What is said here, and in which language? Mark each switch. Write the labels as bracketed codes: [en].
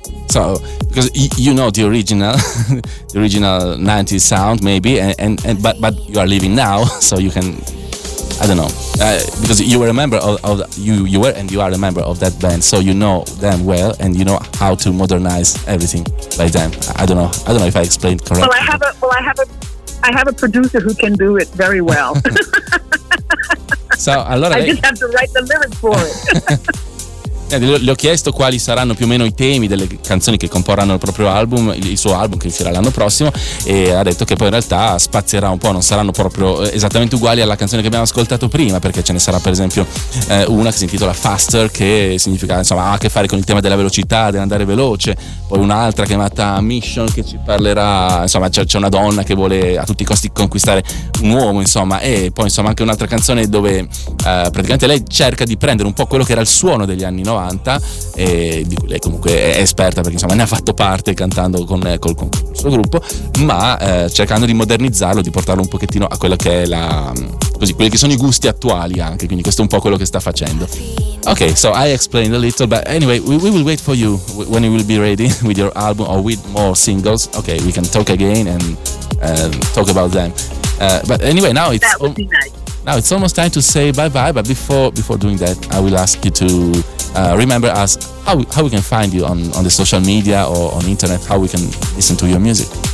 [en] So, because you know the original, the original 90s sound, maybe, but you are living now, so you can, I don't know, because you were a member of you are a member of that band, so you know them well, and you know how to modernize everything by them. I don't know if I explained correctly. Well, I have a producer who can do it very well. So a lot of I just have to write the lyrics for it. [it] Le ho chiesto quali saranno più o meno i temi delle canzoni che comporranno il proprio album, il suo album che uscirà l'anno prossimo, e ha detto che poi in realtà spazierà un po', non saranno proprio esattamente uguali alla canzone che abbiamo ascoltato prima, perché ce ne sarà per esempio una che si intitola Faster, che significa, insomma, ha a che fare con il tema della velocità, dell'andare veloce, poi un'altra chiamata Mission, che ci parlerà, insomma, c'è una donna che vuole a tutti i costi conquistare un uomo, insomma, e poi insomma anche un'altra canzone dove praticamente lei cerca di prendere un po' quello che era il suono degli anni 90, e di cui lei comunque è esperta perché insomma ne ha fatto parte cantando con il suo gruppo, ma cercando di modernizzarlo, di portarlo un pochettino a quello che è la, così, quelli che sono i gusti attuali anche, quindi questo è un po' quello che sta facendo. [en] Ok, so I explained a little, but anyway, we will wait for you when you will be ready with your album or with more singles. Ok, we can talk again and talk about them, but anyway, now it's that would be nice. Now it's almost time to say bye-bye, but before doing that, I will ask you to remember us how we can find you on the social media or on the internet, how we can listen to your music.